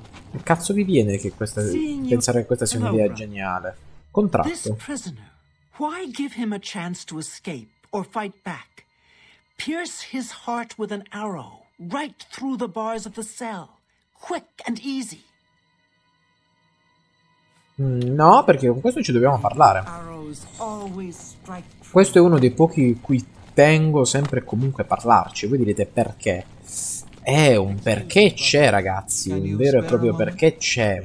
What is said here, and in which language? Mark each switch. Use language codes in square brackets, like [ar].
[it] Che cazzo vi viene che questa pensare che questa sia un'idea geniale? Contratto. [en] This prisoner. Why give him a chance to escape or fight back? Pierce his heart with an arrow, right through the bars of the cell. Quick and easy. [it] No, perché con questo ci dobbiamo parlare. Questo è uno dei pochi cui tengo sempre comunque a parlarci. Voi direte perché? È un perché c'è, ragazzi. Un vero e proprio perché c'è.